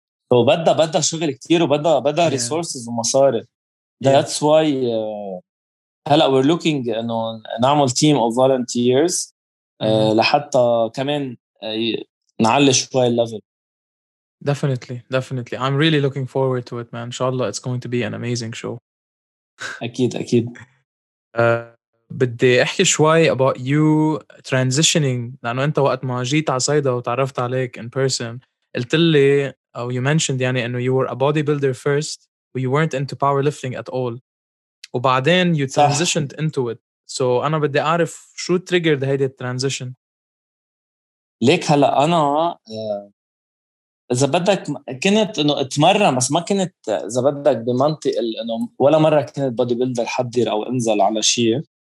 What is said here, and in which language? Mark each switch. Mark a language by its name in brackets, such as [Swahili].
[Arabic] فبدأ شغل كتير وبدأ resources ومصاري [English] that's why [Arabic] هلأ [English] we're looking [Arabic] أنه نعمل [English] team of volunteers [Arabic] لحتى كمان نعلي شوية level [English] Definitely. I'm really looking forward to it, man. Inshallah, it's going to be an amazing show. [Arabic] أكيد. بدي أحكي شوي [English] about you transitioning. [Arabic] لأنه أنت وقت ما جيت على صيدا وتعرفت عليك [English] in person, [Arabic] قلت لي [English] Oh, you mentioned, [Arabic] يعني, [English] and you were a bodybuilder first, but you weren't into powerlifting at all. [Arabic] وبعدين [English] you transitioned into it. So [Arabic] أنا بدي أعرف شو [English] triggered [Arabic] هيدي [English] transition. [Arabic] ليك هلا أنا إذا بدك كنت إنه أتمرن بس ما كنت إذا بدك بمنطق إنه ولا مرة كنت bodybuilder حضر أو أنزل على شيء.